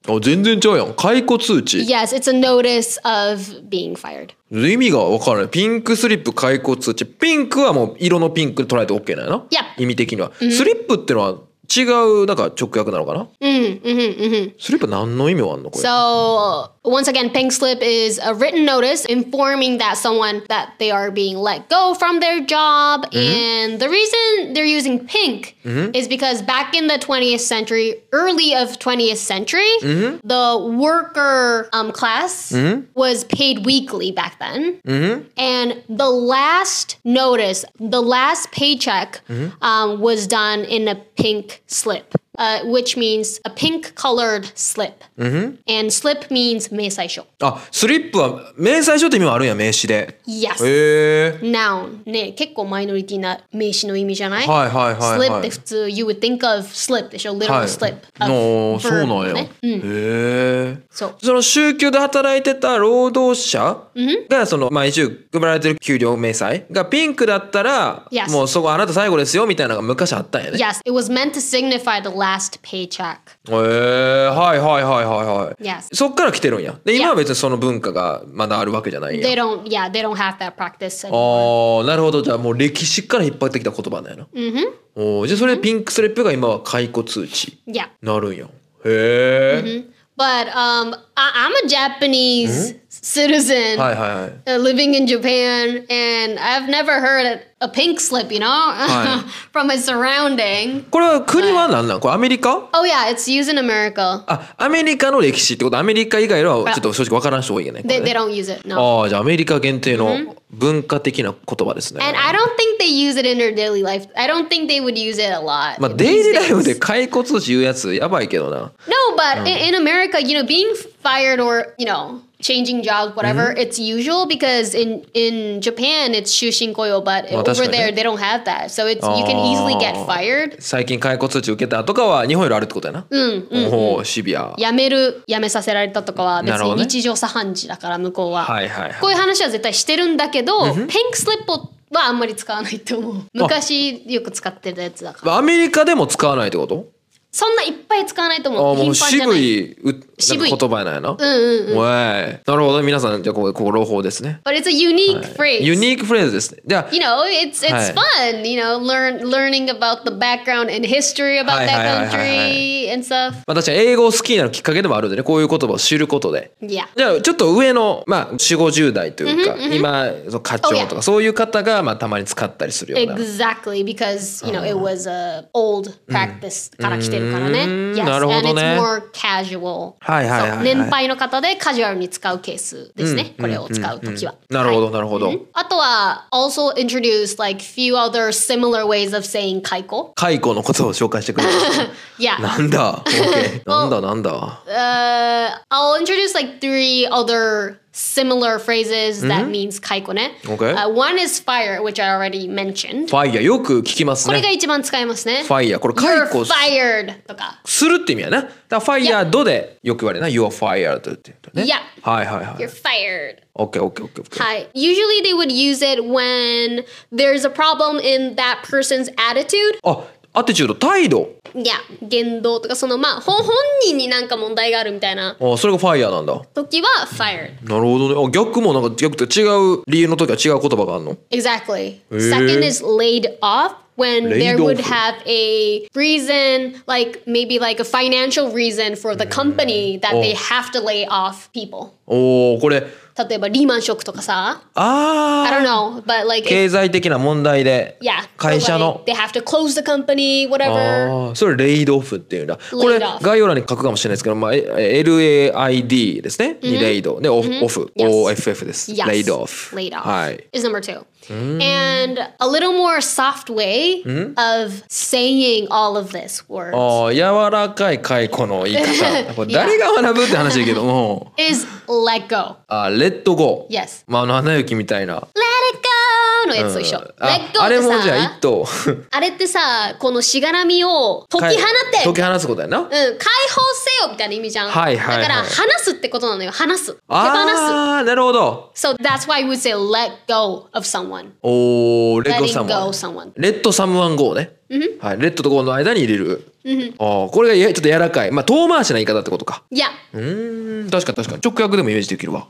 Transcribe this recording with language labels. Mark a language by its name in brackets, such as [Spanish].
[Japanese] あ、全然ちゃうやん。解雇通知。 [English] Yes, it's a notice of being fired. [Japanese] 意味が分からない。ピンクスリップ解雇通知。ピンクはもう色のピンクで捉えて OK なんやな。 [English] Yep. [Japanese] 意味的には。 Mm-hmm. スリップってのは違うなんか直訳なのかな。スリップ何の意味はあんのこれ。 [English] So once again, pink slip is a written notice informing that someone that they are being let go from their job. And the reason they're using pink is because back in the 20th century, early of 20th century, the worker class was paid weekly back then. And the last notice, the last paycheck was done in a pink slip. Which means a pink colored slip. And slip means 明細書。 [Japanese] あ、スリップは明細書って意味もあるんや、名詞で。 [English] Yes. [Japanese] へぇ。 [English] Noun. [Japanese] ね、結構マイノリティな名詞の意味じゃない？はいはいはい、はい。 [English] Slip [Japanese] って普通、 [English] you would think of slip [Japanese] でしょ、 [English] literal slip. [Japanese] あ、そうなんや。うん、へぇ。そう。その週休で働いてた労働者がその毎週配られてる給料明細がピンクだったら、 [English] yes. [Japanese] もうそこあなた最後ですよみたいなのが昔あったんやね。 [English] Yes. It was meant to signify theLast paycheck. [Japanese] はいはいはいはいはい。 [English] Yes. [Japanese] そっから来てるんや。で、今は別にその文化がまだあるわけじゃないんや。 [English] They don't, yeah, they don't have that practice anymore. [Japanese] なるほど。じゃあもう歴史から引っ張ってきた言葉なんやな。 Mm-hmm. じゃあそれでピンクスリップが今は解雇通知。 [English] Yeah. [Japanese] なるんや。へぇ。 [English] But, I'm a Japanese citizen living in Japan, and I've never heard a pink slip, you know, from my surrounding. [Japanese] これは国は何なん？これアメリカ？ [English] Oh yeah, it's used in America. [Japanese] あ、アメリカの歴史ってこと？アメリカ以外はちょっと正直わからん人多いよね。 [English] They don't use it, no. [Japanese] ああ、じゃあアメリカ限定の文化的な言葉ですね。 [English] And I don't think they use it in their daily life. I don't think they would use it a lot. [Japanese] まあ、デイリーライフで解雇通知言うやつやばいけどな。 [English] No, but in America, you know, being fired or, you know... Changing jobs, whatever, it's usual because in Japan it's shushin koyo, but over there they don't have that. So it's you can easily get fired. [Japanese] 最近解雇通知受けたとかは日本よりあるってことやな。うん。おお、シビア。辞める、辞めさせられたとかは別に日常茶飯事だから向こうは。はいはい。こういう話は絶対してるんだけど、ピンクスリップはあんまり使わないと思う。昔よく使ってたやつだから。アメリカでも使わないってこと？そんないっぱい使わないと思う。あ、もう渋い渋い言葉やな。うんうんうん。なるほど。皆さん、じゃあ、ここ、朗報ですね。 [English] But it's a unique phrase. Unique phrase [Japanese] ですね。では、 [English] you know, it's fun, you know, learning about the background and history about that country and stuff. [Japanese] まあ、確かに英語を好きになるきっかけでもあるんでね、こういう言葉を知ることで。 [English] Yeah. [Japanese] じゃあ、ちょっと上の、まあ、40-50代というか、今、その課長とか、そういう方が、まあ、たまに使ったりするような。 [English] Exactly, because, you know, it was a old practice [Japanese] から来てるからね。 [English] Yes, [Japanese] なるほどね。 [English] And it's more casual. [Japanese] はいはいはいはい、年配の方でカジュアルに使うケースですね、これを使うときは、なるほど、なるほど、あとは [English] also introduced like few other similar ways of saying 解雇、 [Japanese] 解雇のことを紹介してくれました、なんだ、OK、なんだなんだ、 [English] I'll introduce like three other similar phrases that means 解雇ね、 okay. One is fire, which I already mentioned. [Japanese] Fire, よく聞きますね、これが一番使いますね、 fire、 これ解雇 [English] You're fired とか [Japanese] するって意味やな、だファイヤードでよく言われるな、 [English] yep. [Japanese] You're fired って言ったね、 [English] yep. [Japanese] はいはいはい、 [English] You're fired、 okay, okay, okay, okay. はい、 Usually they would use it when there's a problem in that person's attitude. [Japanese] あ、アティチュード、態度、いや言動とか、そのまあ本人になんか問題があるみたいな、あそれがファイヤーなんだ、時はファイヤー。なるほどね。あ逆もなんか逆と違う理由の時は違う言葉があるの。 [English] Exactly、Second is laid offWhen there would have a reason, like maybe like a financial reason for the company that they have to lay off people. [Japanese] Oh, これ例えばリーマンショックとかさ。ああ。 [English] I don't know, but like [Japanese] 経済的な問題で。 [English] Yeah. [Japanese] 会社の。 [English] They have to close the company, whatever. [Japanese] ああ、それレイドオフっていうんだ。これ概要欄に書くかもしれないですけど、まあ LAID ですね。にレイド。で、オフ。OFF です。レイドオフ。レイドオフ。はい。 [English] Is number two. And a little more soft way of saying all of this word. [Japanese] Oh, 柔らかい解雇の言い方。誰が学ぶって話だけど。 [English] Is let go. Let go. Yes. [Japanese] まあ、あの花雪みたいな。 [English] Let it go [Japanese] のやつと一緒。 [English] Let go [Japanese] ってさ。あれもじゃあ一等。あれってさ、このしがらみを解き放って。解き放つことやな。うん、解放せよみたいな意味じゃん。はいはいはい。だから話すってことなのよ。話す。手放す。ああ、なるほど。 [English] So that's why we say let go of someone. Letting go someone. Let someone go ね。 Mm-hmm. [Japanese] はい、レッドとゴーの間に入れる。 Mm-hmm. ああ、これがちょっと柔らかい。まあ遠回しな言い方ってことか。 [English] Yeah. [Japanese] うん、確か確か。直訳でもイメージできるわ。